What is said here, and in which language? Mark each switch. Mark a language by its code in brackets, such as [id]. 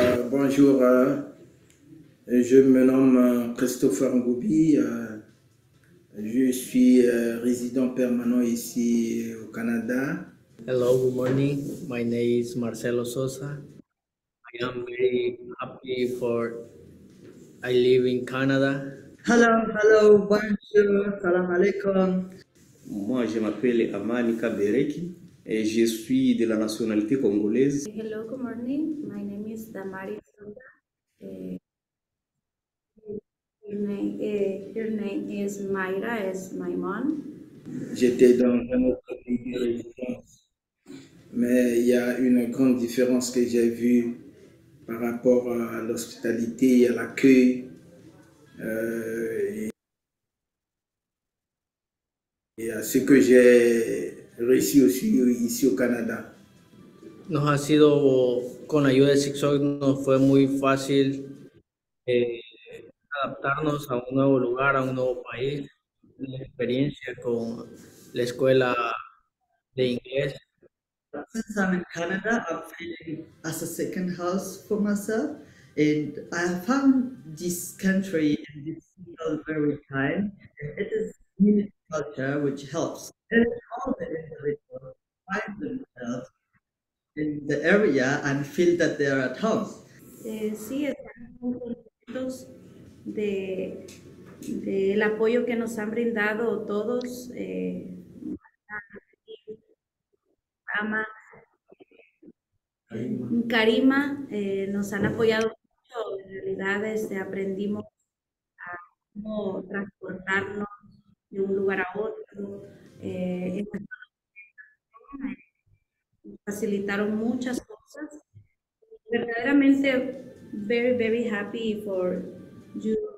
[fr] Bonjour, je me nomme Christopher Ngoubi, je suis résident permanent ici au Canada. [en] Hello, good morning, my name is Marcelo Sosa. I am very happy for I live in Canada. Hello, bonjour, salam alaikum. [fr] Moi, je m'appelle Amani Kabereki. Et je suis de la nationalité congolaise. [en] Hello, good morning. My name is Damari Sonda. Your name is Mayra, is my mom. [fr] J'étais dans un autre pays de résidence. Mais il y a une grande différence que j'ai vue par rapport à l'hospitalité et à l'accueil. Et à ce que j'ai réussi aussi ici au Canada. [es] Nos ha sido con ayuda de Sixog nos fue muy fácil adaptarnos a un nuevo lugar, a un nuevo país. La experiencia con la escuela de inglés [en] Since I'm in Canada, I'm feeling as a second house for myself, and I found this country and this people very kind. It is unique culture which helps all the individuals find themselves in the area and feel that they are at home. [es] Sí, estamos contentos de el apoyo que nos han brindado todos. Karima nos han apoyado mucho. En realidad, aprendimos a cómo transportarnos de un lugar a otro. Facilitaron muchas cosas. [en] Verdaderamente, very, very happy for you.